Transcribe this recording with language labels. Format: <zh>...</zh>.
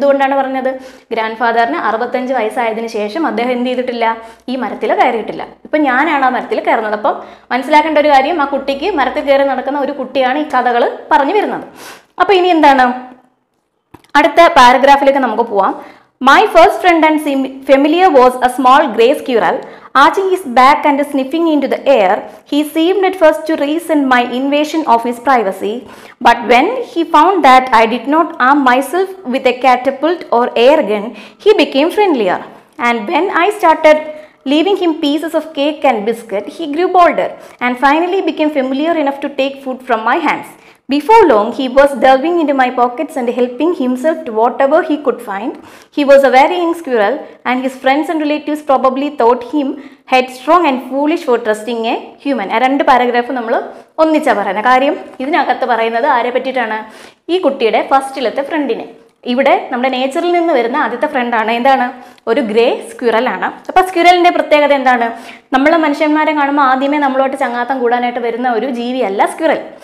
<ml>എന്തുകൊണ്ടാണ് പറഞ്ഞത്, ഗ്രാൻഡ് ഫാദറിന് 65 വയസ്സായതിനു ശേഷം അദ്ദേഹം എന്ത് ചെയ്തിട്ടില്ല, ഈ മരത്തിൽ കയറിയിട്ടില്ല. ഇപ്പം ഞാനാണ് ആ മരത്തിൽ കയറുന്നത്. അപ്പം മനസ്സിലാക്കേണ്ട ഒരു കാര്യം, ആ കുട്ടിക്ക് മരത്തിൽ കയറി നടക്കുന്ന ഒരു കുട്ടിയാണ് ഈ കഥകൾ പറഞ്ഞു വരുന്നത്. അപ്പം ഇനി എന്താണ് അടുത്ത പാരഗ്രാഫിലേക്ക് നമുക്ക് പോവാം.</ml> <en>My first friend and familiar was a small grey squirrel. Arching his back and sniffing into the air, he seemed at first to resent my invasion of his privacy. But when he found that I did not arm myself with a catapult or air gun, he became friendlier. And when I started leaving him pieces of cake and biscuit, he grew bolder and finally became familiar enough to take food from my hands. Before long, he was delving into my pockets and helping himself to whatever he could find. He was a very young squirrel and his friends and relatives probably thought him headstrong and foolish for trusting a human.</en> <ml>ആ രണ്ട് paragraph നമ്മൾ ഒന്നിച്ചാണ് പറയുന്നത്. കാര്യം ഇതിനകത്ത് പറയുന്നത് ആരെ പറ്റിയിട്ടാണ്, ഈ കുട്ടിയുടെ ഫസ്റ്റിലത്തെ ഫ്രണ്ടിനെ. ഇവിടെ നമ്മുടെ നേച്ചറിൽ നിന്ന് വരുന്ന ആദ്യത്തെ ഫ്രണ്ടാണ് എന്താണ്, ഒരു ഗ്രേ സ്ക്യുറലാണ്. അപ്പോൾ സ്ക്യുറലിൻ്റെ പ്രത്യേകത എന്താണ്, നമ്മൾ മനുഷ്യന്മാരെ കാണുമ്പോൾ ആദ്യമേ നമ്മളോട്ട് ചങ്ങാത്തം കൂടാനായിട്ട് വരുന്ന ഒരു ജീവിയല്ല സ്ക്യുറൽ.</ml>